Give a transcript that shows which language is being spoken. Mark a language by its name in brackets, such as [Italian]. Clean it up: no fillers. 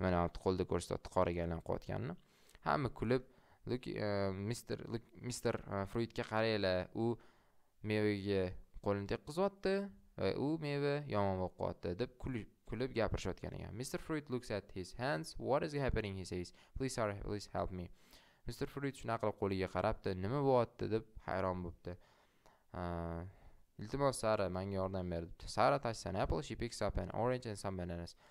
[Uzbek] Mana qo'lda ko'rsatdi qoraga aylanib qolganini. Hamma kulib, Mr. Fruitga qaranglar, u mevaga qo'lini tekkizyapti, u meva yomon bo'lib qoldi deb kulib gapirishayotgan ekan. Mr. [English] Fruit looks at his hands. What is happening? He says, "Please, sir, please help me." Mr. [Uzbek] Fruit shunaqa qilib qo'liga qarabdi, nima bo'yapti deb hayron bo'libdi. Iltimos Sara, menga yordam ber. [English] Sara touches an apple, she picks up an orange and some bananas.